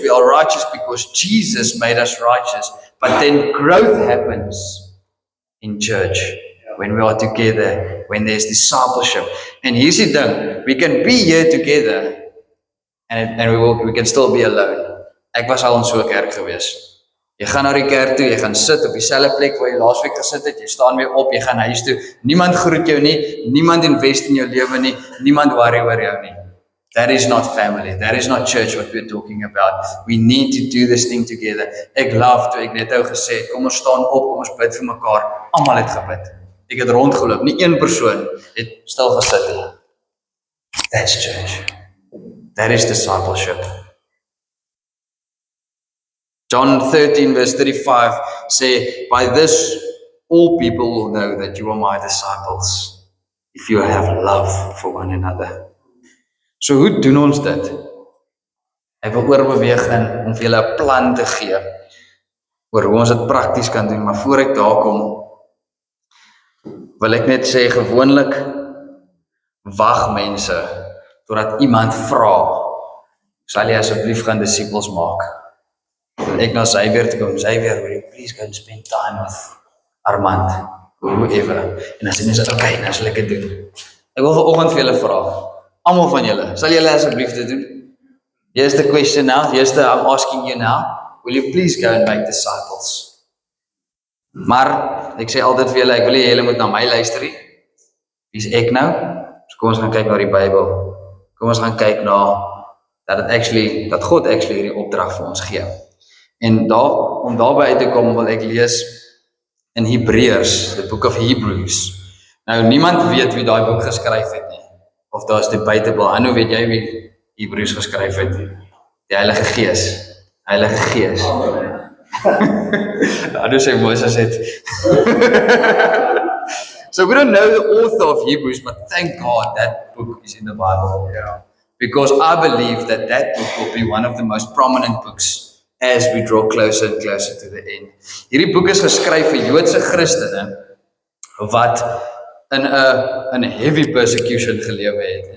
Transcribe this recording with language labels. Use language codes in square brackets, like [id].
[en] We are righteous because Jesus made us righteous. But then growth happens in church, when we are together, when there's discipleship. And here's the thing, we can be here together, and we can still be alone. [af] Ek was al in so 'n kerk gewees. Jy gaan na die kerk toe, jy gaan sit op dieselfde plek waar jy laasweek gesit het, jy staan weer op, jy gaan huis toe, niemand groet jou nie, niemand invest in jou lewe nie, niemand worry oor jou nie. [en] That is not family, that is not church what we're talking about. We need to do this thing together. [af] Ek love toe ek net ou gesê, kom ons staan op, kom ons bid vir mekaar. Almal het gebid. Ek het rondgeloop, nie een persoon het stil gesit. [en] That's church. That is discipleship. John 13 verse 35 say, by this all people will know that you are my disciples, if you have love for one another. [af] So hoe doen ons dit? Ek wil oorbeweeg in om vir julle 'n plan te gee oor hoe ons dit prakties kan doen, maar voor ek daar kom, wil ek net sê, gewoonlik wag mense totdat iemand vra, sal jy asseblief gaan disciples maak? Ek na sy weer te kom, sy weer, [en] will you please go and spend time with Armand, [af] whoever, en as die mense, ok, nou sal ek dit doen. Ek wil vanoggend vir julle vra, almal van julle, sal julle asseblief dit doen? [en] Here's the question now, here's the, I'm asking you now, will you please go and make disciples? [af] Maar, ek sê altyd vir julle, ek wil nie, julle moet na my luister nie. Wie is ek nou? So kom ons gaan kyk na die Bybel. Kom ons gaan kyk na, dat God actually hierdie opdrag vir ons gee. En daar, om daarby uit te kom, wil ek lees in Hebreërs, [en] the book of Hebrews. [af] Nou, niemand weet wie daai boek geskryf het nie. Of daar is debatable. En hoe weet jy wie Hebreërs geskryf het? Die Heilige Gees. Heilige Gees. Anders sê Moses het. [en] So we don't know the author of Hebrews, but thank God that book is in the Bible. Yeah. Because I believe that that book will be one of the most prominent books as we draw closer and closer to the end. [af] Hierdie boek is geskryf vir Joodse Christene wat in 'n [en] heavy persecution [af] gelewe het.